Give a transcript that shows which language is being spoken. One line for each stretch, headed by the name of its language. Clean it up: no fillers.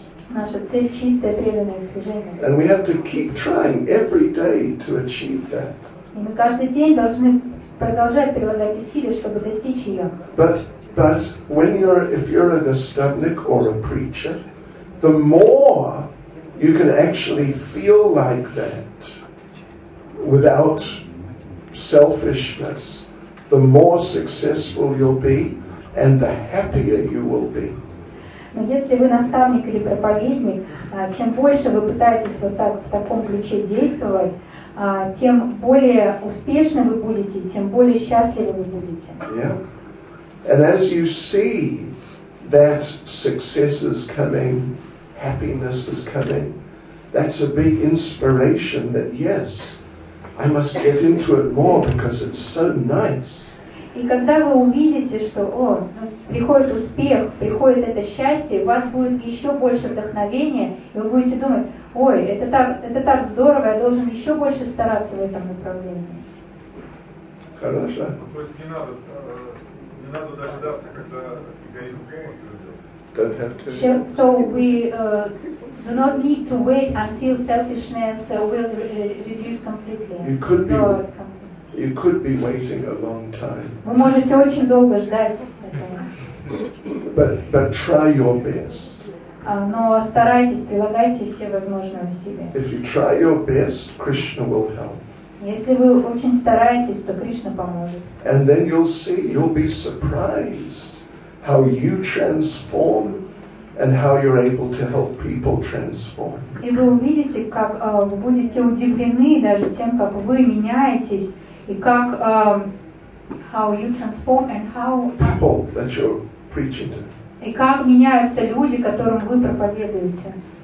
Russian: Наша цель – чистое преданное служение.
English: And we have to keep trying every day to achieve that.
Russian: И мы каждый день должны продолжать прилагать усилия, чтобы достичь ее.
English: But when you're, if you're a nastavnik or a preacher, the more you can actually feel like that without selfishness, the more successful you'll be and the happier you will be.
Russian: Но если вы наставник или проповедник, чем больше вы пытаетесь вот так в таком ключе действовать, тем более успешны вы будете, тем более счастливы вы будете.
English: Yeah. And as you see that success is coming, happiness is coming, that's a big inspiration that yes, I must get into it more because it's so nice.
Russian: И когда вы увидите, что о, приходит успех, приходит это счастье, у вас будет еще больше вдохновения, и вы будете думать, ой, это так здорово, я должен еще больше стараться в этом направлении. Хорошо. Ну, то есть не надо дожидаться, когда эгоизм полностью уйдет.
English: Don't have to. So we do not need to wait until selfishness will reduce completely. You could be. You could be waiting a long time.
Russian: Вы можете очень долго ждать этого.
English: But try your best.
Russian: Но старайтесь, прилагайте все возможные усилия.
English: If you try your best, Krishna will help.
Russian: Если вы очень стараетесь, то Кришна поможет.
English: And then you'll see, you'll be surprised how you transform and how you're able to help people transform.
Russian: И вы увидите, как вы будете удивлены даже тем, как вы меняетесь. И как
English: how you transform and how people that you're preaching to.
Russian: И как меняются люди, которым вы проповедуете.